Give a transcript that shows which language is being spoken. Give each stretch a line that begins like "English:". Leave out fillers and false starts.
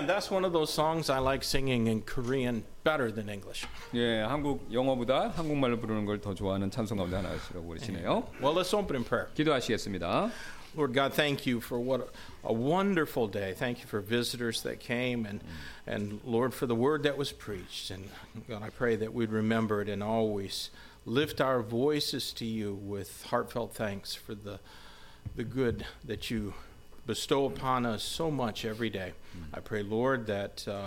English: One of those songs I like singing in Korean better than English.
Korean: 예, 한국 영어보다 한국말로 부르는 걸 더 좋아하는 찬송 가운데 하나라고 그러시네요.
English: Well, let's open in prayer.
Korean: 기도하시겠습니다.
English: Lord God, thank you for what a wonderful day. Thank you for visitors that came and Lord for the word that was preached. And God, I pray that we'd remember it and always lift our voices to you with heartfelt thanks for the good that you bestow upon us so much every day. I pray, Lord, that